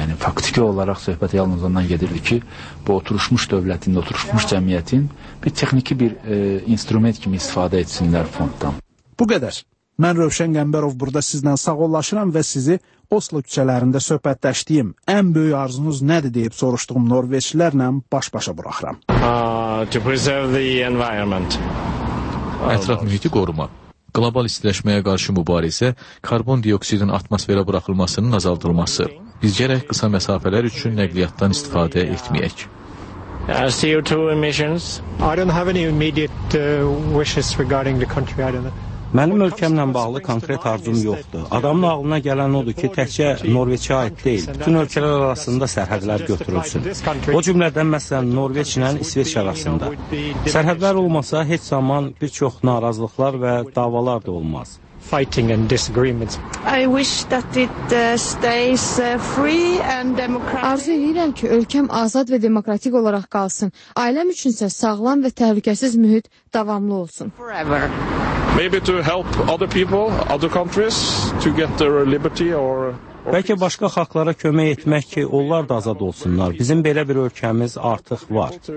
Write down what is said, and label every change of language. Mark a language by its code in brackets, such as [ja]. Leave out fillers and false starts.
[az] Yəni, faktiki olaraq söhbət yalnız ondan gedirdi ki, bu oturuşmuş dövlətin, oturuşmuş cəmiyyətin bir texniki bir instrument kimi istifadə etsinlər fonddan. Bu qədər. Mən Rövşən Qəmbərov burada sizlə sağollaşıram və sizi Oslo küçələrində söhbətləşdiyim ən böyük arzunuz nədir deyib soruşduğum norveçlilərlə baş-başa buraxıram. [en] To preserve the environment. [az] Ətraf mühiti qoruma. Qlobal istiləşməyə qarşı mübarizə, karbon dioksidin atmosferə buraxılmasının azaldılması. Biz gərək qısa məsafələr üçün nəqliyyatdan istifadə etməyək. [en] CO2 emissions. I don't have any immediate wishes regarding the country. I don't know. [az] Mənim ölkəmlə bağlı konkret arzum yoxdur. Adamın ağlına gələn odur ki, təkcə Norveçə aid deyil, bütün ölkələr arasında sərhədlər götürülsün. O cümlədən məsələn Norveç ilə İsveç arasında. Sərhədlər olmasa heç zaman bir çox narazılıqlar və davalar da olmaz. [en] Fighting and disagreements. I wish that it stays free and democratic. [az] Arzu edirəm ki, ölkəm azad və demokratik olaraq qalsın. Ailəm üçünsə sağlam və təhlükəsiz mühit davamlı olsun. [en] Forever. Maybe to help other people, other countries to get their liberty or [az] bəlkə başqa xalqlara kömək etmək ki, onlar da azad olsunlar. Bizim belə bir ölkəmiz artıq var.